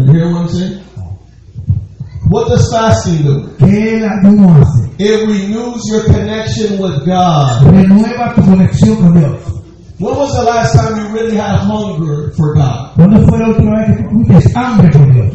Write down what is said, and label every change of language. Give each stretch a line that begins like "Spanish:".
English: you hearing what I'm saying? What does fasting do?
Spanish: ¿Qué ayuno hace?
English: It renews your connection with God.
Spanish: Renueva tu conexión con Dios.
English: When was the last time you really had hunger for God?
Spanish: ¿Cuándo fue la última vez que tuviste hambre por Dios?